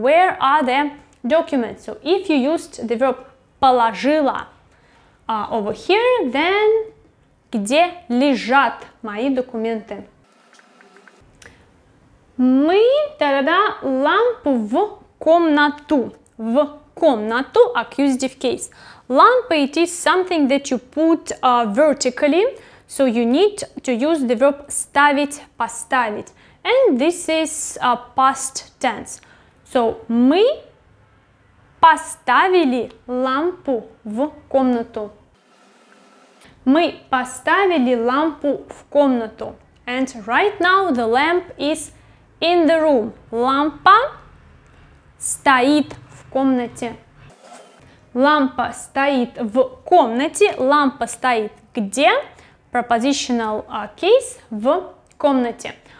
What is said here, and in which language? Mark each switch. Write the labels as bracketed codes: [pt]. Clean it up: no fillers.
[en] Where are the documents? So if you used the verb положила over here, then [ru] где лежат мои документы? Мы, та-да-да, лампу в комнату. В комнату, [en] accusative case. Лампа, it is something that you put vertically. So you need to use the verb ставить, поставить. And this is a past tense. [ru] So мы поставили лампу в комнату. Мы поставили лампу в комнату. [en] And right now the lamp is in the room. [ru] Лампа стоит в комнате. Лампа стоит в комнате. Лампа стоит где? [en] Prepositional case [ru] в комнате.